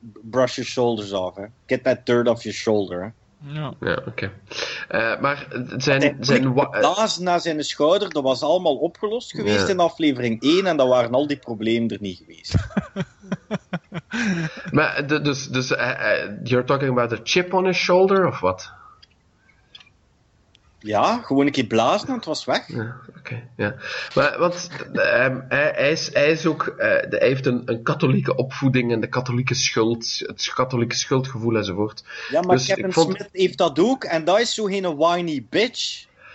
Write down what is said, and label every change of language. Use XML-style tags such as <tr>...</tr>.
<en>Brush your shoulders off. Hè. Get that dirt off your shoulder.</en> <nl>Ja, oké. Maar zijn blazen naar zijn schouder, dat was allemaal opgelost geweest in aflevering 1 en dan waren al die problemen er niet geweest. Maar dus</nl> <en>you're talking about a chip on his shoulder of what?</en> <nl>Ja, gewoon een keer blazen en het was weg. Ja, oké. Okay, ja. Maar want hij heeft een katholieke opvoeding en de katholieke schuld, het katholieke schuldgevoel enzovoort. Ja, maar dus Kevin Smith heeft dat ook en dat is zo geen whiny bitch.</nl>